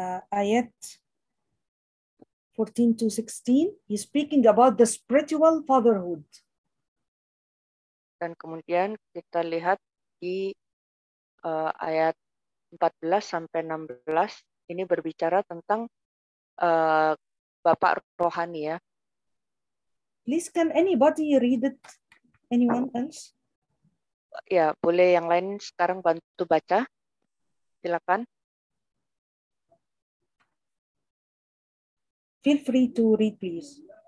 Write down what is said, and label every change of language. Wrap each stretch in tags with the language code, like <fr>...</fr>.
<en>Ayat 14 to 16, he's speaking about the spiritual fatherhood.</en> <id>Dan kemudian kita lihat di ayat 14 sampai 16 ini berbicara tentang bapak rohani ya.</id> <en>Please can anybody read it? Anyone else?</en> <id>Ya, boleh yang lain sekarang bantu baca. Silakan.</id> <en>Feel free to read please.</en>